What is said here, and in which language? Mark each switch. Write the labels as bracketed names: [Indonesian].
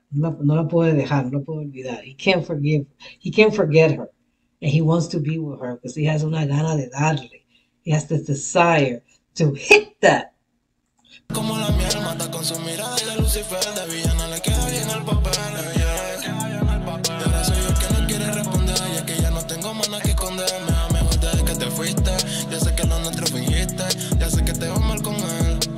[Spanish] No la puede dejar, no la puede olvidar. [English] He can't forgive. He can't forget her. And he wants to be with her because he has [Spanish] una gana de darle. [English] He has the desire to hit that. [Spanish] Como la miel mata con su mirada y la Lucifer de villana le queda bien al papel, yeah. Y ahora soy yo que no quiere responder, ya que ya no tengo más nada que esconder. Me da mejor desde que te fuiste, ya sé que lo nuestro fingiste, ya sé que te va mal con él.